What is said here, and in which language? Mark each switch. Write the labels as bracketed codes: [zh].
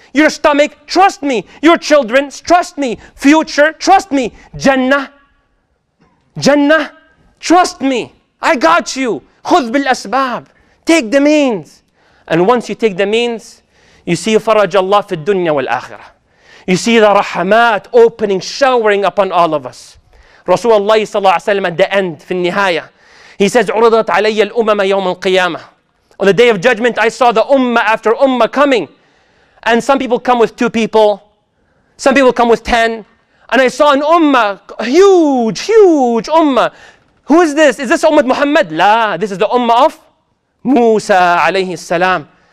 [en] Your stomach, trust me. Your children, trust me. Future, trust me. Jannah. Jannah, trust me. I got you. [ar] خذ بالأسباب. [en] Take the means. And once you take the means, you see [ar] فرج الله في الدنيا والآخرة. [en] You see the rahmat opening, showering upon all of us. [ar] رسول الله صلى الله عليه وسلم [en] at the end, [ar] في النهاية. [en] He says, [ar] عرضت علي الأمم يوم القيامة. [en] On the day of judgment, I saw the ummah after ummah coming. And some people come with two people. Some people come with 10. And I saw an ummah, huge, huge ummah. Who is this? Is this Ummah Muhammad? La, this is the ummah of Musa alayhi salam.